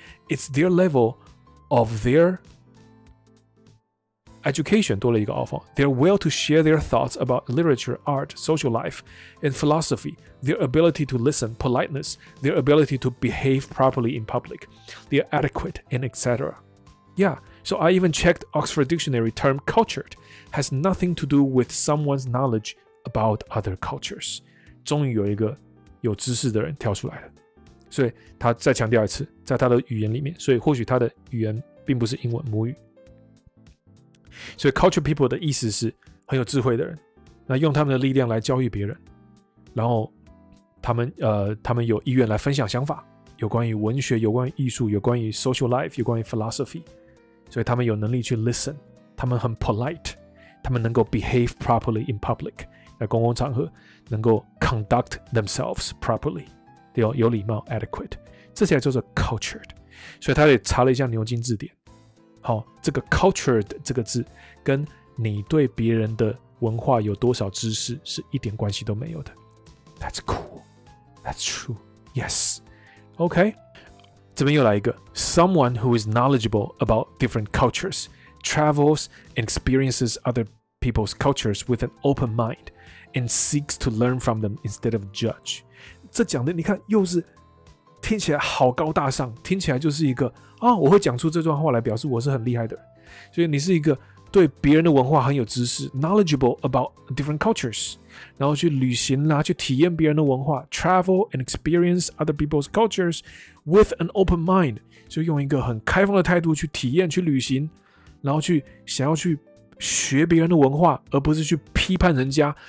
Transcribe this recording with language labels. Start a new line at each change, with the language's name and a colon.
English: It's their level of their education
Chinese: 多了一个
English: offer their will to share their thoughts about literature, art, social life, and philosophy, their ability to listen, politeness, their ability to behave properly in public, their etiquette, and etc. Yeah, so I even checked Oxford Dictionary term cultured has nothing to do with someone's knowledge about other cultures.
Chinese: 终于有一个有知识的人跳出来了，所以他再强调一次，在他的语言里面，所以或许他的语言并不是英文母语。所以
English: culture people
Chinese: 的意思是很有智慧的人，那用他们的力量来教育别人，然后他们有意愿来分享想法，有关于文学，有关于艺术，有关于
English: social life，
Chinese: 有关于
English: philosophy，
Chinese: 所以他们有能力去
English: listen，
Chinese: 他们很
English: polite，
Chinese: 他们能够
English: behave properly in public，
Chinese: 在公共场合能够
English: conduct themselves properly，
Chinese: 有礼貌
English: adequate，
Chinese: 这才叫做 cultured。所以他也查了一下牛津字典，好，这个 cultured 这个字跟你对别人的文化有多少知识是一点关系都没有的。
English: That's cool. That's true. Yes. OK.
Chinese: 这边又来一个
English: Someone who is knowledgeable about different cultures travels and experiences other people's cultures with an open mind and seeks to learn from them instead of judge.
Chinese: 这讲的你看又是听起来好高大上，听起来就是一个啊，我会讲出这段话来表示我是很厉害的人。所以你是一个对别人的文化很有知识 ，
English: knowledgeable about different cultures，
Chinese: 然后去旅行啦，去体验别人的文化 ，
English: travel and experience other people's cultures with an open mind，
Chinese: 就用一个很开放的态度去体验、去旅行，然后去想要去学别人的文化，而不是去批判人家。